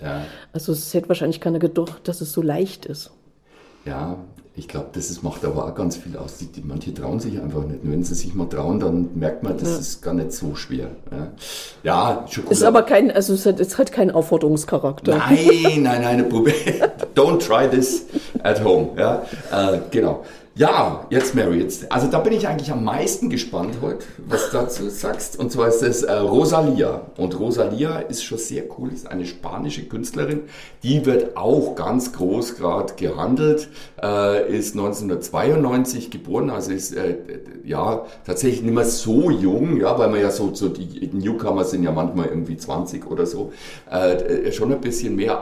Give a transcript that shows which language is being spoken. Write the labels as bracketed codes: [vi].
[de] Ja. Also es hätte wahrscheinlich keiner gedacht, dass es so leicht ist. Ja, Ich glaube, das macht aber auch ganz viel aus. Manche trauen sich einfach nicht. Und wenn sie sich mal trauen, dann merkt man, das ist gar nicht so schwer. Ja, schon cool. Ist aber kein, also es hat keinen Aufforderungscharakter. Nein, [en] don't try this at home. [de] Ja, genau. Ja, jetzt Mary, also da bin ich eigentlich am meisten gespannt heute, was du dazu sagst. Und zwar ist es Rosalía. Und Rosalía ist schon sehr cool, ist eine spanische Künstlerin. Die wird auch ganz groß gerade gehandelt, ist 1992 geboren, also ist tatsächlich nicht mehr so jung, ja, weil man ja so die Newcomer sind ja manchmal irgendwie 20 oder so, schon ein bisschen mehr.